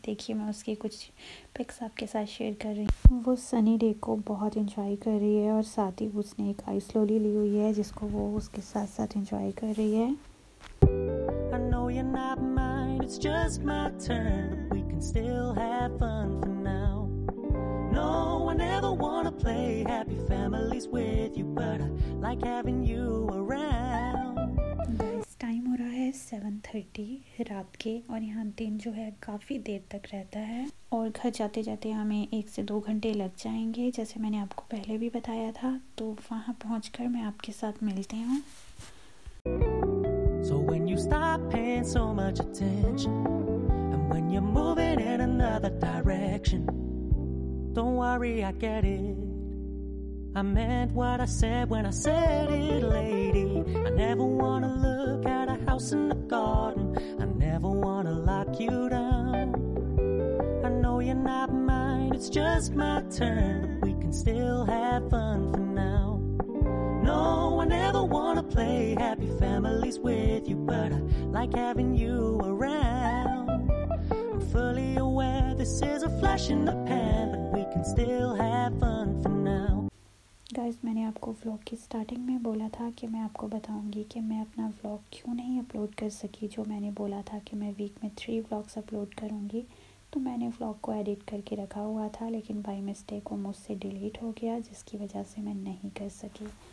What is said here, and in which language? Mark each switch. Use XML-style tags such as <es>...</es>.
<hi>देखिए मैं उसकी कुछ पिक्स आपके साथ शेयर कर रही हूँ। वो सनी डे को बहुत इंजॉय कर रही है और साथ ही उसने एक आइस लोली ली हुई है जिसको वो उसके साथ साथ इंजॉय कर रही है।</hi> <en>No one ever wanna play happy families with you, but I like having you around.</en> <hi>Guys, time हो रहा है 7:30 रात के और यहाँ दिन जो है काफी देर तक रहता है और घर जाते जाते हमें 1 से 2 घंटे लग जाएंगे जैसे मैंने आपको पहले भी बताया था। तो वहाँ पहुँच कर मैं आपके साथ मिलते हूँ।</hi> <en>So when you stop paying so much attention and when you're moving in another direction. Don't worry, I get it. I meant what I said when I said it, lady. I never wanna look at a house in the garden. I never wanna lock you down. I know you're not mine, it's just my turn. But we can still have fun for now. No, I never wanna play happy families with you, but I like having you around. I'm fully aware this is a flash in the pan. Still have fun for now.</en> <hi>Guys, मैंने आपको vlog की starting में बोला था कि मैं आपको बताऊंगी कि मैं अपना व्लॉग क्यों नहीं अपलोड कर सकी जो मैंने बोला था कि मैं वीक में 3 व्लॉग्स अपलोड करूंगी। तो मैंने व्लॉग को एडिट करके रखा हुआ था लेकिन बाई मिस्टेक वो मुझसे डिलीट हो गया जिसकी वजह से मैं नहीं कर सकी।</hi>